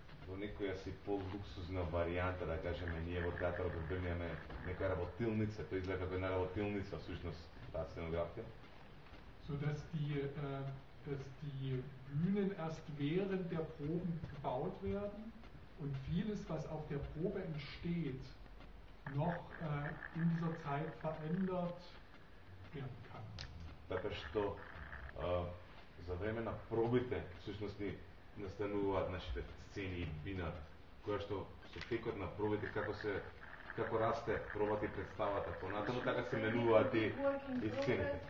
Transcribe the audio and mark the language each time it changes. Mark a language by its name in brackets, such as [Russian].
[Macedonian] Во некоја си по-луксузна варијанта, да кажеме, ние во театарот во Берлин имаме некоја работилница, тоа изгледа како една работилница, всушност, таа сценографија. [German] So dass die Bühnen erst während der Proben gebaut werden, und vieles, was auf der Probe entsteht, noch in dieser Zeit verändert werden kann. [Macedonian] Така што за време на пробите, всушност, ни настануваат нашите сцени и бинат, која што со текот на пробите, како расте пробата и представата понатаму, така се менуваат и сцени.